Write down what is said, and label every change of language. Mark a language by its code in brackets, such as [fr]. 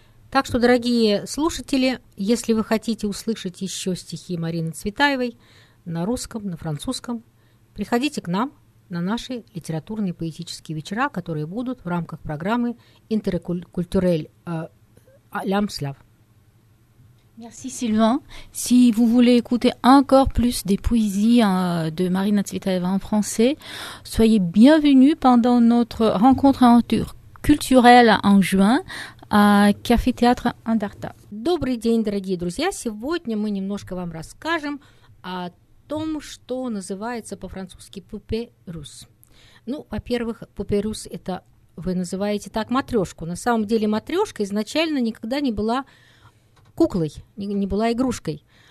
[ru] Так что, дорогие слушатели, если вы хотите услышать еще стихи Марины Цветаевой на русском, на французском, приходите к нам на наши литературные поэтические вечера, которые будут в рамках программы Интеркультурель Лямслав. [fr] Merci Sylvain. Si vous voulez écouter encore plus des poésies de Marina Tsvetaeva en français, soyez bienvenue pendant notre rencontre interculturelle en juin à Café Théâtre Andarta. [ru] Добрый день, дорогие друзья. Сегодня мы немножко вам расскажем о том, что называется по-французски «пупе рус». Ну, во-первых, «пупе рус» — это, вы называете так, матрёшку. На самом деле матрёшка изначально никогда не была куклой, не была игрушкой.